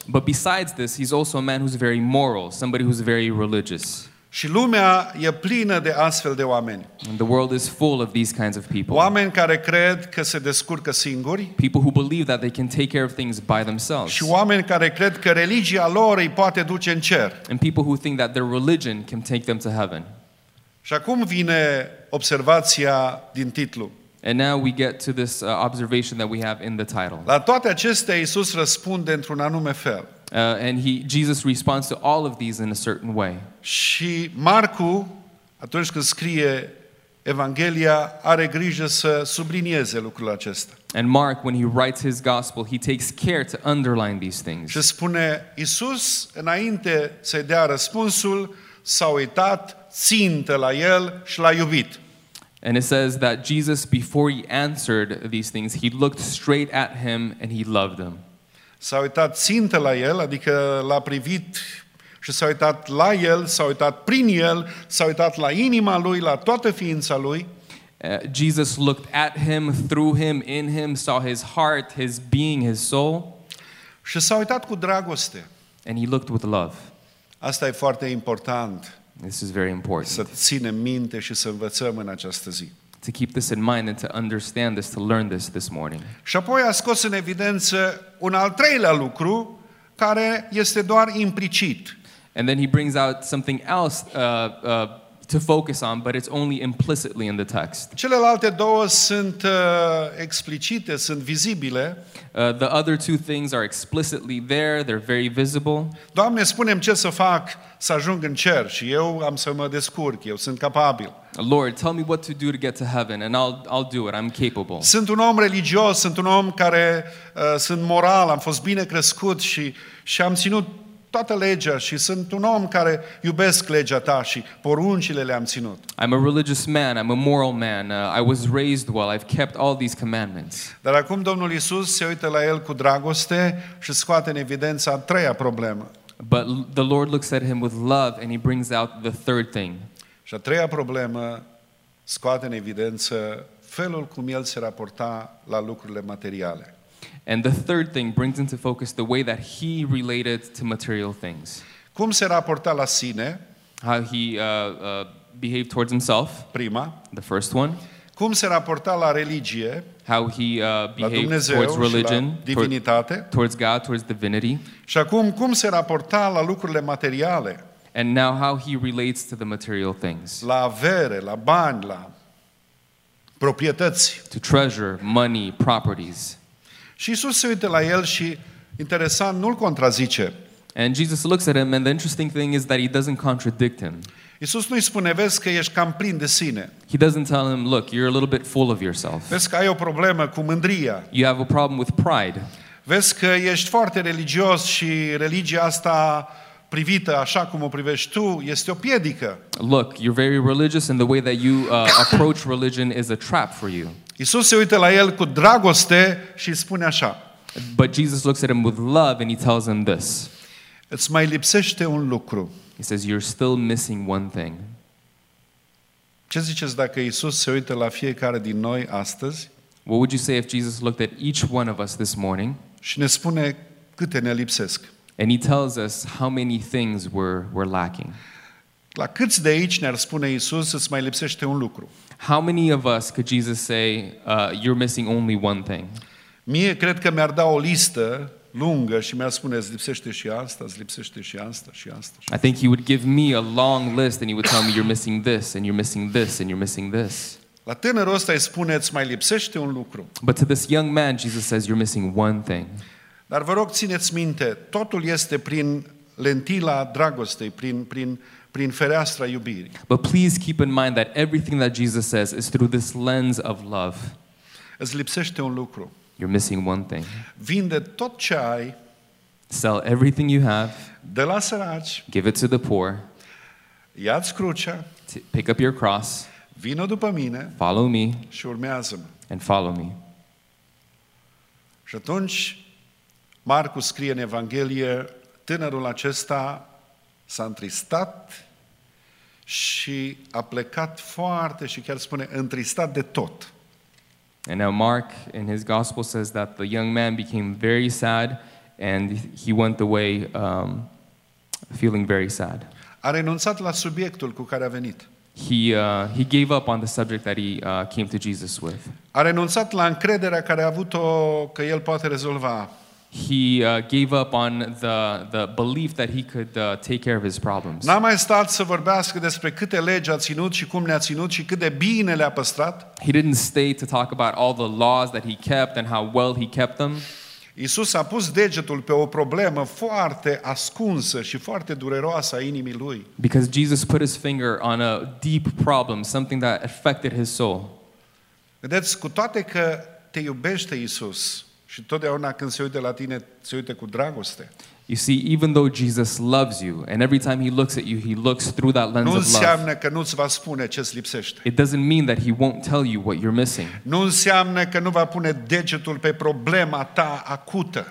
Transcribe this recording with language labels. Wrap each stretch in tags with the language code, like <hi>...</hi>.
<en>But besides this, he's also a man who's very moral, somebody who's very religious.</en> <ro>Și lumea e plină de astfel de oameni.</ro> <en>And the world is full of these kinds of people.</en> <ro>Oameni care cred că se descurcă singuri.</ro> <en>People who believe that they can take care of things by themselves.</en> <ro>Și oameni care cred că religia lor îi poate duce în cer.</ro> <en>And people who think that their religion can take them to heaven.</en> <ro>Și acum vine observația din titlu.</ro> <en>And now we get to this observation that we have in the title.</en> <ro>La toate acestea, Iisus răspunde într-un anume fel.</ro> <en>Jesus responds to all of these in a certain way.</en> <ro>Și Marcu, atunci când scrie Evanghelia, are grijă să sublinieze lucrul acesta.</ro> <en>And Mark, when he writes his gospel, he takes care to underline these things.</en> <ro>Și spune, Iisus, înainte să-i dea răspunsul, s-a uitat țintă la el și l-a iubit.</ro> <en>And it says that Jesus, before he answered these things, he looked straight at him and he loved him.</en> <ro>S-a uitat țintă la el, adică l-a privit și s-a uitat la el, s-a uitat prin el, s-a uitat la inima lui, la toată ființa lui.</ro> <en>Jesus looked at him, through him, in him, saw his heart, his being, his soul.</en> <ro>Și s-a uitat cu dragoste.</ro> <en>And he looked with love.</en> <ro>Asta e foarte important.</ro> <en>This is very important.</en> <ro>Să ținem minte și să învățăm în această zi.</ro> <en>To keep this in mind and to understand this, to learn this this morning.</en> <ro>Și apoi a scos în evidență un al treilea lucru care este doar implicit.</ro> <en>And then he brings out something else to focus on, but it's only implicitly in the text.</en> <ro>Celelalte două sunt explicite, sunt vizibile.</ro> <en>The other two things are explicitly there, they're very visible.</en> <ro>Doamne, spune-mi ce să fac să ajung în cer și eu am să mă descurc, eu sunt capabil.</ro> <en>Lord, tell me what to do to get to heaven and I'll do it. I'm capable.</en> <ro>Sunt un om religios, sunt un om care sunt moral, am fost bine crescut și am ținut toată legea și sunt un om care iubesc legea ta și poruncile le-am ținut.</ro> <en>I'm a religious man, I'm a moral man. I was raised well. I've kept all these commandments.</en> <ro>Dar acum Domnul Iisus se uită la el cu dragoste și scoate în evidență a treia problemă.</ro> <en>But the Lord looks at him with love and he brings out the third thing.</en> <ro>Și a treia problemă scoate în evidență felul cum el se raporta la lucrurile materiale.</ro> <en>And the third thing brings into focus the way that he related to material things.</en> <ro>Cum se raporta la sine?</ro> <en>How he behaved towards himself.</en> <ro>Prima.</ro> <en>The first one.</en> <ro>Cum se raporta la religie?</ro> <en>How he behaved towards religion.</en> <ro>Divinitate.</ro> <en>Towards God, towards divinity.</en> <ro>Și acum, cum se raporta la lucrurile materiale?</ro> <en>And now how he relates to the material things.</en> <ro>La avere, la bani, la proprietăți.</ro> <en>To treasure, money, properties.</en> <ro>Și Iisus se uită la el și interesant, nu-l contrazice.</ro> <en>And Jesus looks at him and the interesting thing is that he doesn't contradict him.</en> <ro>Iisus nu-i spune, vezi că ești cam plin de sine.</ro> <en>He doesn't tell him, look, you're a little bit full of yourself.</en> <ro>Vezi că ai o problemă cu mândria.</ro> <en>You have a problem with pride.</en> <ro>Vezi că ești foarte religios și religia asta privită așa cum o privești tu, este o piedică.</ro> <en>Look, you're very religious and the way that you approach religion is a trap for you.</en> <ro>Iisus se uită la el cu dragoste și spune așa.</ro> <en>But Jesus looks at him with love and he tells him this.</en> <ro>Îți mai lipsește un lucru.</ro> <en>He says, you're still missing one thing.</en> <ro>Ce ziceți dacă Iisus se uită la fiecare din noi astăzi?</ro> <en>What would you say if Jesus looked at each one of us this morning?</en> <ro>Și ne spune câte ne lipsesc.</ro> <en>And he tells us how many things we're lacking.</en> <ro>La câți de aici ne-ar spune Iisus, îți mai lipsește un lucru?</ro> <en>How many of us could Jesus say, you're missing only one thing?</en> <ro>Mie cred că mi-ar da o listă lungă și mi-ar spune, îți lipsește și asta, îți lipsește și asta, și asta.</ro> <en>I think he would give me a long list and he would tell me, you're missing this, and you're missing this, and you're missing this.</en> <ro>La tânărul ăsta îi spune, îți mai lipsește un lucru.</ro> <en>But to this young man, Jesus says, you're missing one thing.</en> <ro>Dar vă rog, țineți minte, totul este prin lentila dragostei, prin fereastra iubirii.</ro> <en>But please keep in mind that everything that Jesus says is through this lens of love.</en> <ro>Îți lipsește un lucru.</ro> <en>You're missing one thing.</en> <ro>Vinde tot ce ai.</ro> <en>Sell everything you have.</en> <ro>Dă la săraci.</ro> <en>Give it to the poor.</en> <ro>Ia-ți crucea.</ro> <en>Pick up your cross.</en> <ro>Vino după mine.</ro> <en>Follow me.</en> <ro>Și urmează-mă.</ro> <en>And follow me.</en> <ro>Și atunci Marcu scrie în Evanghelie, tânărul acesta s-a întristat și a plecat foarte și chiar spune întristat de tot.</ro> <en>And now Mark in his gospel says that the young man became very sad and he went away feeling very sad.</en> <ro>A renunțat la subiectul cu care a venit.</ro> <en>He gave up on the subject that he came to Jesus with.</en> <ro>A renunțat la încrederea care a avut-o că el poate rezolva.</ro> <en>He gave up on the belief that he could take care of his problems.</en> <ro>N-a mai stat să vorbească despre câte legi a ținut și cum le-a ținut și cât de bine le-a păstrat.</ro> <en>He didn't stay to talk about all the laws that he kept and how well he kept them.</en> <ro>Iisus a pus degetul pe o problemă foarte ascunsă și foarte dureroasă a inimii lui.</ro> <en>Because Jesus put his finger on a deep problem, something that affected his soul.</en> <ro>Vedeți, cu toate că te iubește Iisus, și totdeauna când se uită la tine, se uită cu dragoste.</ro> <en>You see, even though Jesus loves you, and every time he looks at you, he looks through that lens of love.</en> <ro>Nu înseamnă că nu ți va spune ce îți lipsește.</ro> <en>It doesn't mean that he won't tell you what you're missing.</en> <ro>Nu înseamnă că nu va pune degetul pe problema ta acută.</ro>